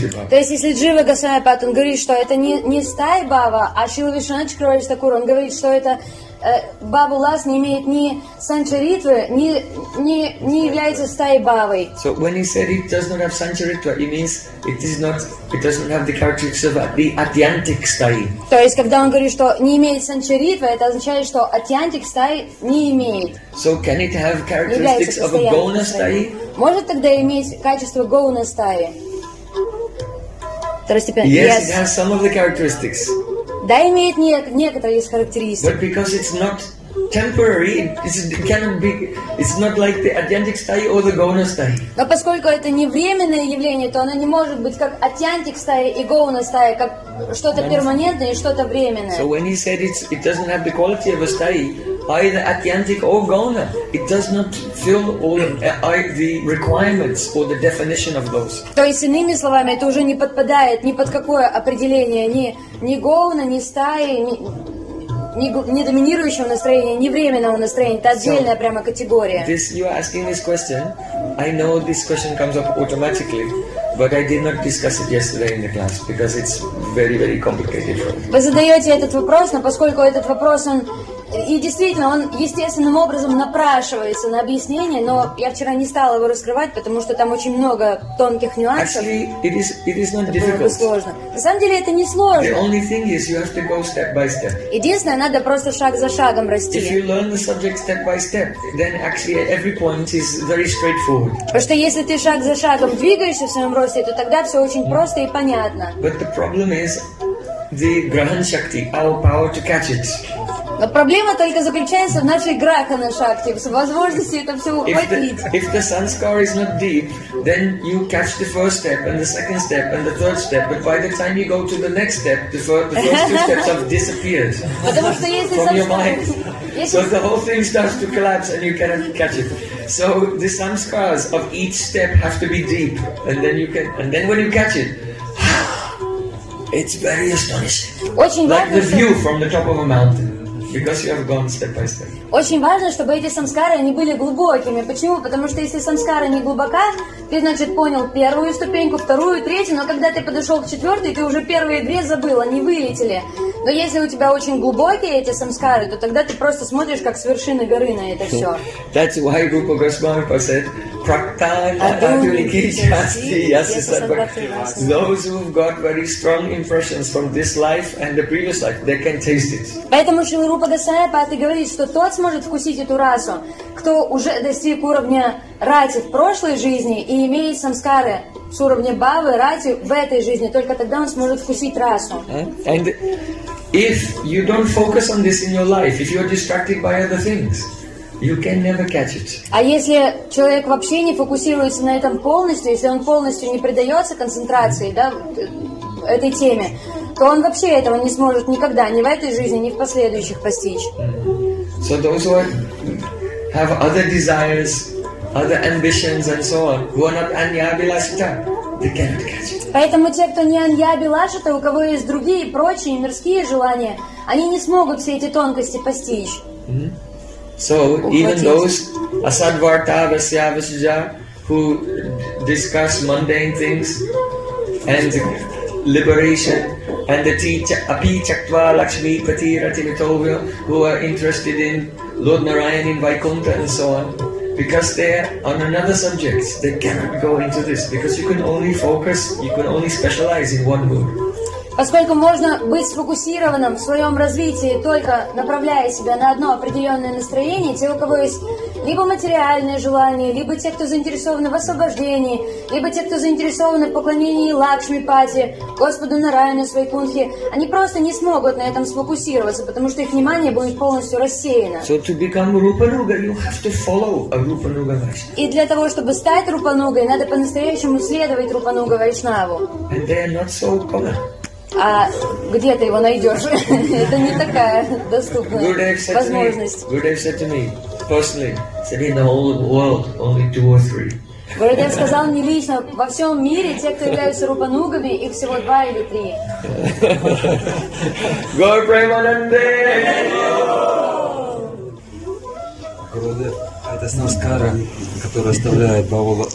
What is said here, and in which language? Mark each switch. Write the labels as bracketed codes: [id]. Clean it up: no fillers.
[ru] То есть, если Джива Госвами Патон говорит, что это не стай бава, а Шрила Вишванатха Чакраварти Такур, он говорит, что это Бабу Лас не имеет ни санчаритвы, ни является стай бавой. [en] So when he said it does not have санчаритва, it means it does not have the characteristics of the атьянтик стай. [ru] То есть, когда он говорит, что не имеет санчаритвы, это означает, что атьянтик стай не имеет. [en] So can it have characteristics of a гоуна стай? [ru] Может тогда иметь качество гоуна стаи? [en] Yes, it has some of the characteristics. [ru] Да, имеет некоторые из характеристик. [en] But because it's not temporary, it's not like the atyantik stai or the gauna stai. [ru] Но поскольку это не временное явление, то оно не может быть как atyantik stai и gauna stai, как что-то перманентное и что-то временное. [en] So when he said it doesn't have the quality of a stai, either atyantik or gauna, it does not fill all the requirements or the definition of those. [ru] То есть, иными словами, это уже не подпадает ни под какое определение, ни гоуна, ни стаи, ни доминирующего настроения, ни временного настроения. Это отдельная [en] so, [ru] прямо категория. [en] This, you are asking this question. I know this question comes up automatically, but I did not discuss it yesterday in the class because it's very, very complicated. [ru] Вы задаете этот вопрос, но поскольку этот вопрос, он... И действительно, он естественным образом напрашивается на объяснение, но я вчера не стала его раскрывать, потому что там очень много тонких нюансов. [en] Actually, it is not difficult. [ru] Это было бы сложно. На самом деле, это не сложно. [en] The only thing is, you have to go step by step. [ru] Единственное, надо просто шаг за шагом расти. [en] If you learn the subject step by step, then actually every point is very straightforward. [ru] Потому что если ты шаг за шагом двигаешься в своем росте, то тогда все очень просто и понятно. [en] But the problem is the grahan shakti, our power to catch it. [ru] Проблема только заключается в нашей грахана-шакти, в возможности это все ухватить. [en] If the sanskara is not deep, then you catch the first step, and the second step, and the third step, but by the time you go to the next step, the first two steps have disappeared from your mind. So the whole thing starts to collapse and you cannot catch it. So the sanskaras of each step have to be deep, and then you can, and then when you catch it, it's very astonishing. [ru] Очень [en] like the view from the top of a mountain. Because you have gone step by step. [ru] Очень важно, чтобы эти самскары они были глубокими. Почему? Потому что если самскара не глубока, ты, значит, понял первую ступеньку, вторую, третью, но когда ты подошел к четвертой, ты уже первые две забыл, они вылетели. Но если у тебя очень глубокие эти самскары, то тогда ты просто смотришь, как с вершины горы на это все. [en] That's why Rupa Goswami said, Praktana Adhuniki Shasti Yasisadvaka. Those who've got very strong impressions from this life and the previous life, they can taste it. [ru] Поэтому Шрила Рупа Госвами говорит, что тот сможет вкусить эту расу, кто уже достиг уровня рати в прошлой жизни и имеет самскары с уровня бавы, рати в этой жизни, только тогда он сможет вкусить расу. [en] And if you don't focus on this in your life, if you're distracted by other things, you can never catch it. [ru] А если человек вообще не фокусируется на этом полностью, если он полностью не предается концентрации, да, этой теме, то он вообще этого не сможет никогда, ни в этой жизни, ни в последующих постичь. [en] So those who have other desires, other ambitions, and so on, who are not anyabhilashita, they cannot catch it. [ru] Поэтому те, кто не анъябилашита, у кого есть другие прочие мирские желания, они не смогут все эти тонкости постичь. Mm-hmm. [en] So even those asadvarta vasyavasija who discuss mundane things and liberation. And the teacher, Api Chaktva Lakshmi Pati Rati Mitovya, who are interested in Lord Narayan in Vaikuntha and so on, because they're on another subject, they cannot go into this, because you can only focus, you can only specialize in one mood. [ru] Поскольку можно быть сфокусированным в своем развитии, только направляя себя на одно определенное настроение, те, у кого есть либо материальные желания, либо те, кто заинтересованы в освобождении, либо те, кто заинтересованы в поклонении Лакшмипати, Господу Нараяну Свайкунтхе, они просто не смогут на этом сфокусироваться, потому что их внимание будет полностью рассеяно. [en] So to become Rupanuga, you have to follow a Rupanuga Vaishnava. [ru] И для того, чтобы стать Рупанугой, надо по-настоящему следовать Рупануга Вайшнаву. [en] And they are not so common. [ru] А где ты его найдешь? Это не такая доступная возможность. [en] Gurudev said to me, personally, said in the whole world, only two or three. [ru] Gurudev сказал мне лично, во всем мире те, кто являются рупанугами, их всего два или три. Gaur Premananda! Gurudev. Это самскара, которая оставляет бабла.